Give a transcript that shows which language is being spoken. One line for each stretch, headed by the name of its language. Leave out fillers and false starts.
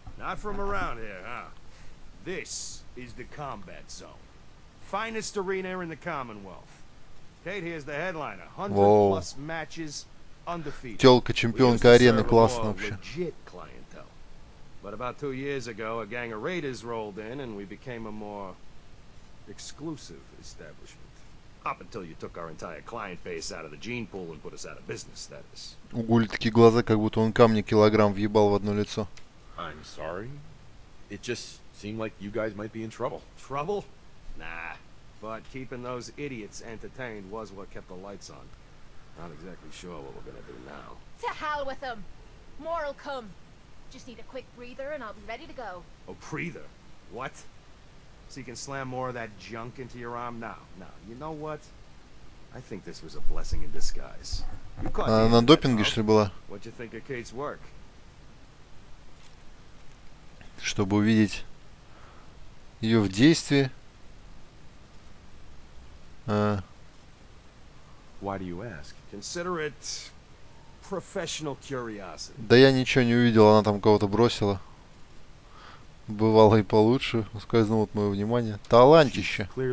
English: Not from around here, huh? This is the combat zone. Finest arena in the Commonwealth. Kate here's the headliner. 100+ matches undefeated.
Russian: Тёлка чемпионка арены, классно вообще.
English: Legit clientele. But about 2 years ago, a gang of raiders rolled in, and we became a more exclusive establishment. Up until you took our entire client base out of the gene pool and put us out of business, that is.
Russian: У Гули такие глаза, как будто он камни килограмм въебал в одно лицо.
English: I'm sorry. It just seemed like you guys might be in trouble. Trouble? Nah. But keeping those idiots entertained was what kept the lights on. Not exactly sure what we're gonna do now. To hell with them. More'll come. Just need a quick breather and I'll be ready to go. A breather? What? So you can slam more of that junk into your arm now. Now, you know what? I think this was a blessing in disguise. You caught me.
Russian: На допинге, что ли, была?
English: What you think of Kate's work?
Russian: Чтобы увидеть ее в действии.
English: Why do you ask? Consider it professional curiosity.
Russian: Да я ничего не увидел, она там кого-то бросила. Бывало и получше, ускользнуло от моего внимания. Талантище.